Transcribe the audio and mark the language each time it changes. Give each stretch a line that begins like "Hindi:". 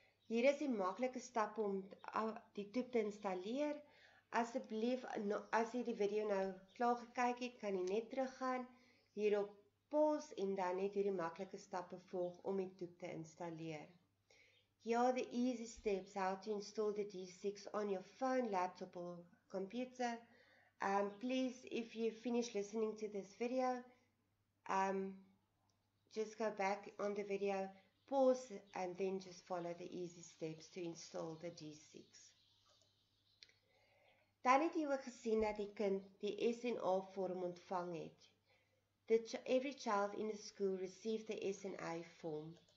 Afrikaans: Hier is die maklike stap om die toep te installeer. Asseblief, as jy die video nou klaar gekyk het, kan jy net teruggaan, hierop pause en dan net hierdie maklike stappe volg om die toep te installeer.
English: Here are the easy steps how to install the D6 on your phone, laptop or computer. Please, if you finish listening to this video, just go back on the video, pause and then just follow the easy steps to install the D6.
Afrikaans: Dan het jy ook gesien dat die kind die SNA vorm ontvang het.
English: Every child in the school received the SNA form.